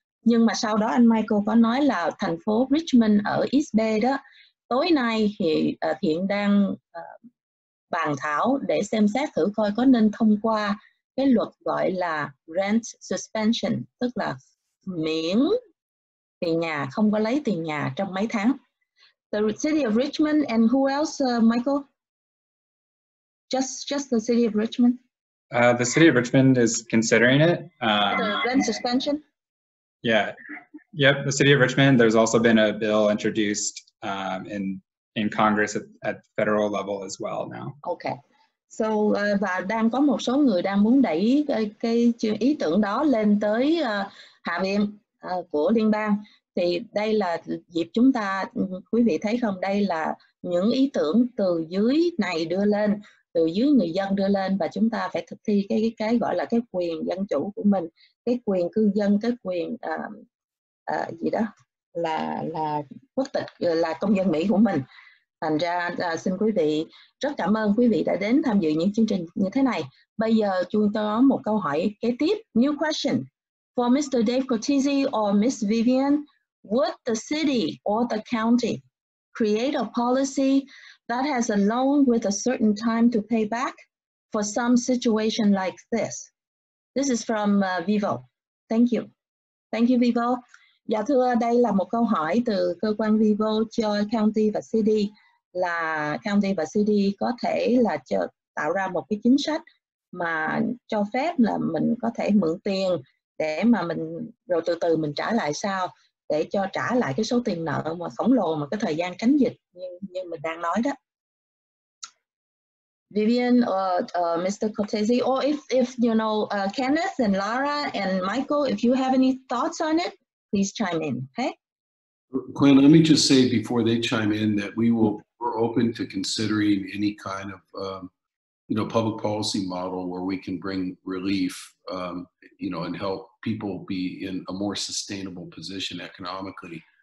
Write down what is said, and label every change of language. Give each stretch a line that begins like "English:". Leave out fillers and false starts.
Vietnamese: Nhưng mà sau đó anh Michael có nói là thành phố Richmond ở East Bay đó, tối nay thì hiện đang bàn thảo để xem xét thử coi có nên thông qua cái luật gọi là rent suspension, tức là miễn tiền nhà, không có lấy tiền nhà trong mấy tháng.
English: The city of Richmond and who else, Michael? Just the city of Richmond? The city of Richmond is considering it. The rent suspension? Yeah. Yep, the city of Richmond. There's also been a bill introduced in Congress at federal level as well now. Okay.
Vietnamese: So và đang có một số người đang muốn đẩy cái ý tưởng đó lên tới hạ viện của liên bang. Thì đây là dịp chúng ta, quý vị thấy không, đây là những ý tưởng từ dưới này đưa lên, từ dưới người dân đưa lên, và chúng ta phải thực thi cái gọi là cái quyền dân chủ của mình, cái quyền cư dân, cái quyền gì đó là quốc tịch, là công dân Mỹ của mình. Thành ra xin quý vị, rất cảm ơn quý vị đã đến tham dự những chương trình như thế này. Bây giờ chúng ta có một câu hỏi kế tiếp,
English: new question for Mr. Dave Cortese or Miss Vivian. Would the city or the county create a policy that has a loan with a certain time to pay back for some situation like this? This is from Vivo. Thank you. Thank you, Vivo.
Vietnamese: Dạ thưa, đây là một câu hỏi từ cơ quan Vivo cho county và city, là county và city có thể là tạo ra một cái chính sách mà cho phép là mình có thể mượn tiền để mà mình rồi từ từ mình trả lại sao, để cho trả lại cái số tiền nợ mà khổng lồ mà cái thời gian tránh dịch như mình đang nói đó.
English: Vivian or Mr. Cortese, or if you know Kenneth and Lara and Michael, if you have any thoughts on it, please chime in, okay? Quinn, let me just say before they chime in that we're open to considering any kind of public policy model where we can bring relief, and help people be in a more sustainable position economically.